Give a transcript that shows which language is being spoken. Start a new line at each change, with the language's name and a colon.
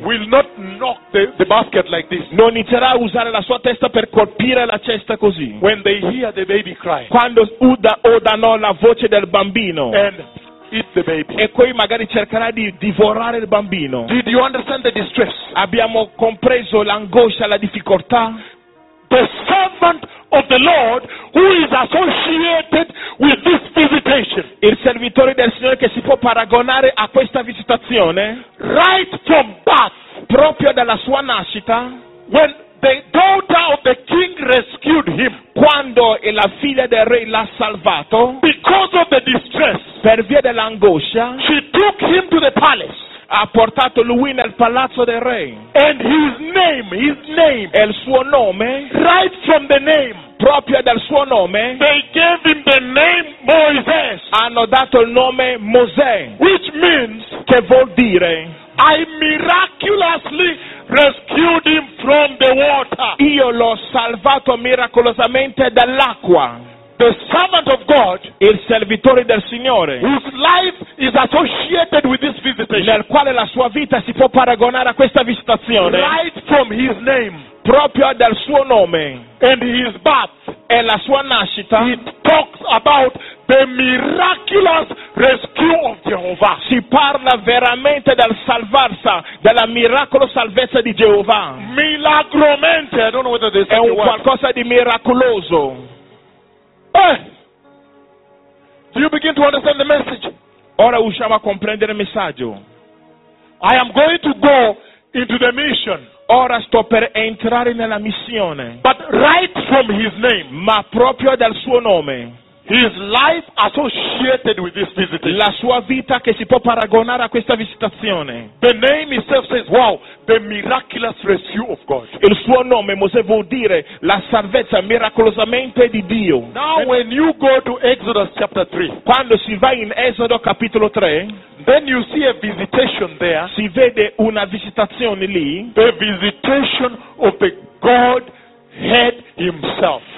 English: Will not knock the basket like this.
Italian: Non inizierà a usare la sua testa per colpire la cesta così.
English: When they hear the baby cry.
Italian: Quando udano la voce del bambino.
English: And eat the baby.
Italian: E poi magari cercherà di divorare il bambino.
English: Did you understand the distress?
Italian: Abbiamo compreso l'angoscia, la difficoltà.
English: The servant of the Lord who is associated with this visitation.
Italian: Il servitore del Signore che si può paragonare a questa visitazione.
English: Right from birth.
Italian: Proprio dalla sua nascita.
English: When the daughter of the king rescued him.
Italian: Quando la figlia del re l'ha salvato.
English: Because of the distress.
Italian: Per via dell'angoscia.
English: She took him to the palace.
Italian: Ha portato lui nel palazzo del re.
English: And his name.
Italian: E il suo nome.
English: Right from the name.
Italian: Proprio dal suo nome.
English: They gave him the name Moses.
Italian: Hanno dato il nome Mosè.
English: Which means.
Italian: Che vuol dire.
English: I miraculously rescued him from the water.
Italian: Io l'ho salvato miracolosamente dall'acqua.
English: The servant of God,
Italian: il servitore del Signore,
English: whose life is associated with this visitation,
Italian: nel quale la sua vita si può paragonare a questa visitazione,
English: right from his name,
Italian: proprio dal suo nome,
English: and his birth,
Italian: e la sua nascita,
English: he talks about the miraculous rescue of Jehovah.
Italian: Si parla veramente del salvarsa, della miracolo salvezza di Jehovah.
English: Milagromente, I don't know whether this
Italian: è un qualcosa di miracoloso.
English: Do you begin to understand the message?
Italian: Ora usciamo a comprendere il messaggio.
English: I am going to go into the mission.
Italian: Ora sto per entrare nella missione.
English: But right from his name.
Italian: Ma proprio dal suo nome.
English: His life associated with this visit.
Italian: La sua vita che si può paragonare a questa visitazione.
English: The name itself says, wow, the miraculous rescue of God.
Italian: Il suo nome, Mosè, vuol dire la salvezza miracolosamente di Dio.
English: Now when you go to Exodus chapter 3.
Italian: Quando si va in Esodo capitolo 3.
English: Then you see a visitation there.
Italian: Si vede una visitazione lì.
English: The visitation of the Godhead himself.